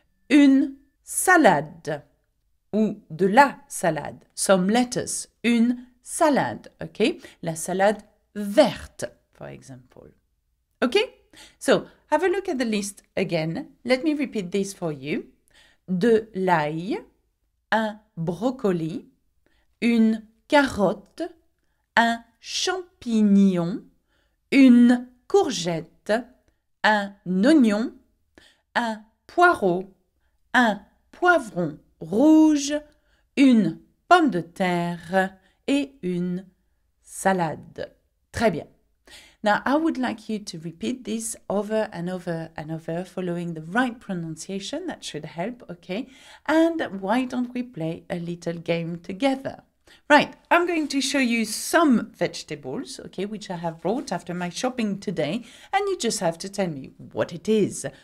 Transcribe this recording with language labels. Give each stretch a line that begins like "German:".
French: Une salade, ou de la salade,
English: some lettuce,
French: une salade, okay, la salade verte.
English: For example. Okay? So, have a look at the list again. Let me repeat this for you.
French: De l'ail, un brocoli, une carotte, un champignon, une courgette, un oignon, un poireau, un poivron rouge, une pomme de terre et une salade. Très bien.
English: Now, I would like you to repeat this over and over and over, following the right pronunciation. That should help, okay? And why don't we play a little game together? Right, I'm going to show you some vegetables, okay, which I have brought after my shopping today, and you just have to tell me what it is.